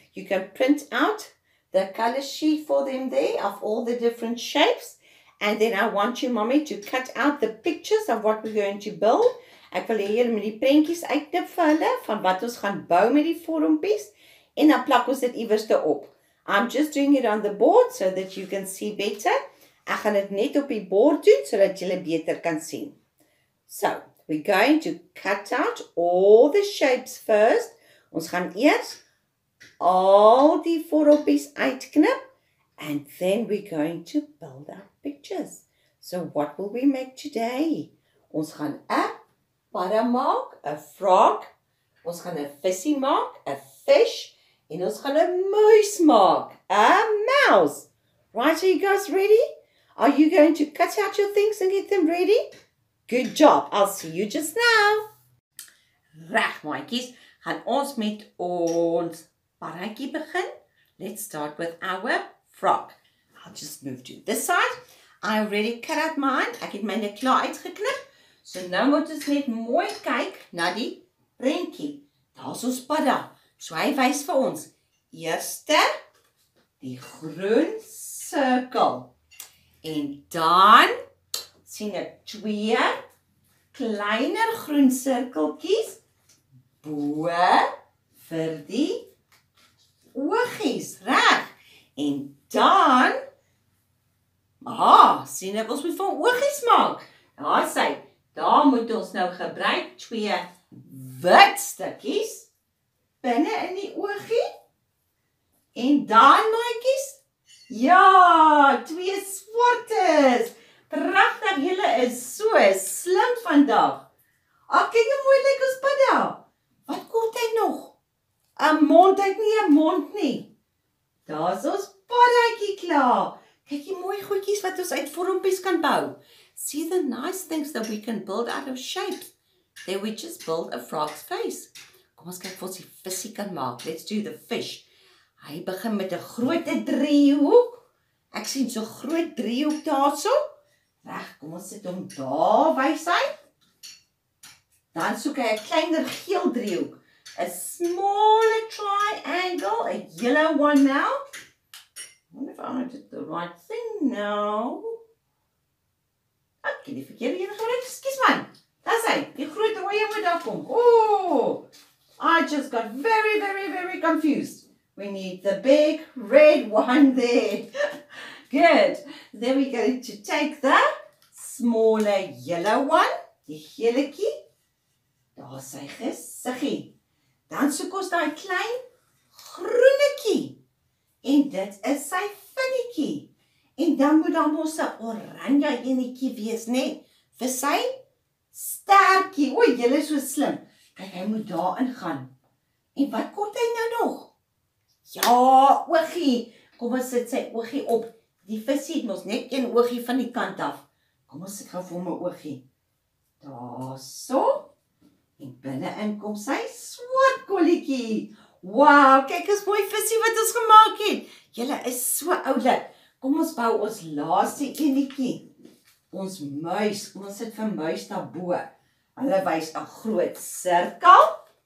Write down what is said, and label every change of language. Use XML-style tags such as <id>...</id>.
<en>You can print out the color sheet for them there of all the different shapes. And then I want you, mommy, to cut out the pictures of what we're going to build.</en> <af>Ek wil hier met die prentjies uitdip vir hulle van wat ons gaan bou met die vormpies en dan plak ons dit iewers te op.</af> <en>I'm just doing it on the board so that you can see better.</en> <af>Ek gaan dit net op die bord doen so dat julle beter kan sien.</af> <en>So, we're going to cut out all the shapes first.</en> <af>Ons gaan eers al die vormpies uitknip</af> <en>and then we're going to build our pictures. So, what will we make today?</en> <af>Ons gaan padda maak,</af> <en>a frog,</en> <af>ons gaan a visie maak,</af> <en>a fish,</en> <af>en ons gaan a muis maak,</af> <en>a mouse. Right, are you guys ready? Are you going to cut out your things and get them ready? Good job, I'll see you just now.</en> <af>Reg, maaikies, gaan ons met ons paddakie begin.</af> <en>Let's start with our frog. I'll just move to this side. I already cut out mine,</en> <af>ek het myne klaar uitgeknip. So nou moet ons net mooi kyk na die prentjie. Daar's ons padda. So hy wys vir ons. Eerste, die groen sirkel. En dan sien ek twee kleiner groen sirkeltjies bo vir die oogies, reg? En dan sien ek ons moet van oogies maak. Daar is hy. Daar moet ons nou gebruik twee wit stukkies binne in die oogie. En dan, maatjies, ja, twee swartes. Pragtig, julle is so slim vandag. Ah, kyk hoe mooi lyk ons padda. Wat kort hy nog? 'N mond, hy het nie 'n mond nie. Daar's ons paddatjie klaar. Kyk hier mooi goedjies wat ons uit vormpies kan bou.</af> <en>See the nice things that we can build out of shapes. There we just build a frog's face.</en> <af>Kom ons kyk wat die visie kan maak.</af> <en>Let's do the fish.</en> <af>Hy begin met 'n groot driehoek. Ek sien so groot driehoek daarso. Reg, kom ons sit hom daar wys hy. Dan soek hy 'n kleiner geel driehoek.</af> <en>A smaller triangle. A yellow one now. If I did the right thing now.</en> <af>Ek het die verkeerde een gebruik, skus man. Dis hy, die groot rooi een wat daar kom.</af> <en>I just got very, very, very confused. We need the big red one there. Good. Then we're going to take the smaller yellow one.</en> <af>Die geletjie. Daar is hy gesiggie. Dan soek ons daai klein groenetjie. En dit is sy vinnetjie. En dan moet daar mos 'n oranje enetjie wees, nê? Vir sy sterkie. O, jy is so slim. Kyk, hy moet daar ingaan. En wat kort hy nou nog? Ja, oogie. Kom ons sit sy oogie op. Die visie het mos net een oogie van die kant af. Kom ons sit gou vir hom 'n oogie. Daarso. En binne in kom sy swart kolletjie. Wow, kyk as mooi visie wat ons gemaak het. Jy is so oulik. Kom ons bou ons laaste enetjie. Ons muis, kom ons sit vir muis daarbo. Hulle wys 'n groot sirkel.</af>